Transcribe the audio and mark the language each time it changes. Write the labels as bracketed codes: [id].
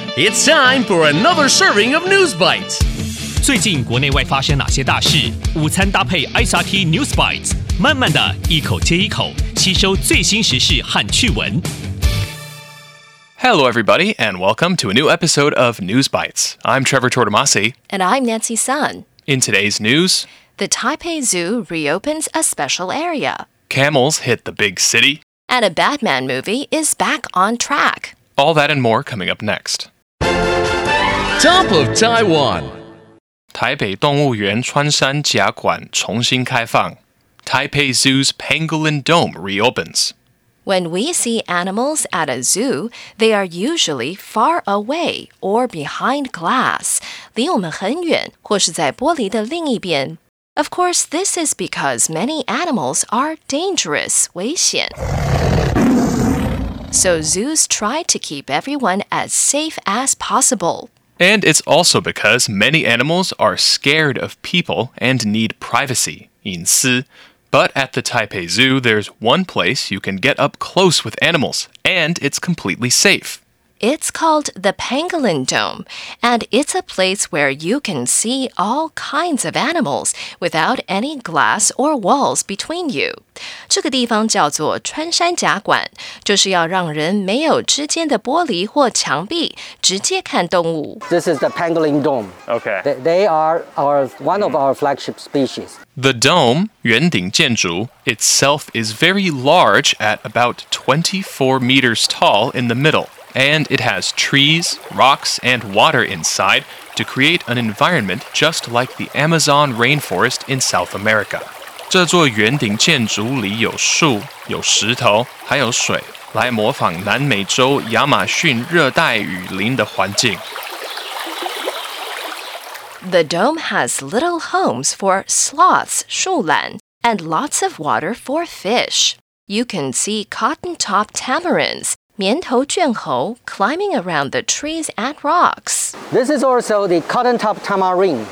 [en] It's time for another serving of News Bites. [zh] 最近国内外发生哪些大事？午餐搭配 SRT News Bites， 慢慢的一口接一口，吸收最新时事和趣闻。 [en] Hello, everybody, and welcome to a new episode of News Bites. I'm Trevor Tortomasi. And I'm Nancy Sun. In today's news, the Taipei Zoo reopens a special area. Camels hit the big city. And a Batman movie is back on track. All that and more coming up next. Top of Taiwan. [zh] 台北动物园穿山甲馆重新开放。 [en] Taipei Zoo's Pangolin Dome reopens. When we see animals at a zoo, they are usually far away or behind glass, [zh] 离我们很远或是在玻璃的另一边。 [en] Of course, this is because many animals are dangerous, 危险。 So zoos try to keep everyone as safe as possible. And it's also because many animals are scared of people and need privacy, 隐私。 But at the Taipei Zoo, there's one place you can get up close with animals, and it's completely safe. It's called the Pangolin Dome, and it's a place where you can see all kinds of animals without any glass or walls between you. [zh] 这个地方叫做穿山甲馆，就是要让人没有之间的玻璃或墙壁，直接看动物。 [en] This is the Pangolin Dome. Okay. They are one of our flagship species. The dome, 圆顶建筑, itself is very large at about 24 meters tall in the middle, and it has trees, rocks, and water inside to create an environment just like the Amazon rainforest in South America. [zh] 这座圆顶建筑里有树、有石头、还有水，来模仿南美洲亚马逊热带雨林的环境。 [en] The dome has little homes for sloths, 树懒, and lots of water for fish. You can see cotton-top tamarins, 棉头卷猴, climbing around the trees and rocks. This is also the cotton-top tamarin.